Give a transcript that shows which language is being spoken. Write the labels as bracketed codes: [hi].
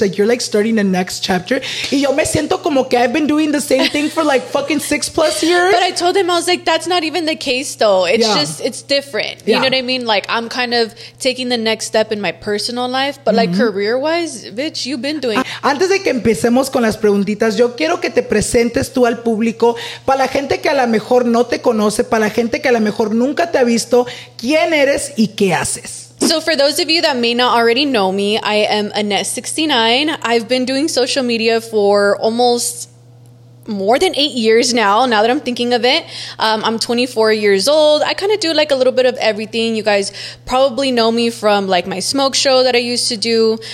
[en] Like, you're like starting the next chapter. [es] Y yo me siento como que [en] I've been doing the same thing for like fucking 6+ years. But I told him, I was like, that's not even the case, though. It's just, it's different. You know what I mean? Like, I'm kind of taking the next step in my personal life. But like, career-wise, bitch, you've been doing. [es] Antes de que empecemos con las preguntitas, yo quiero que te presentes tú al público. Para la gente que a lo mejor no te conoce, para la gente que a lo mejor nunca te ha visto, ¿quién eres y qué haces? [en] So for those of you that may not already know me, I am Annette69. I've been doing social media for almost more than 8 years now that I'm thinking of it. I'm 24 years old. I kind of do like a little bit of everything. You guys probably know me from like my smoke show that I used to do.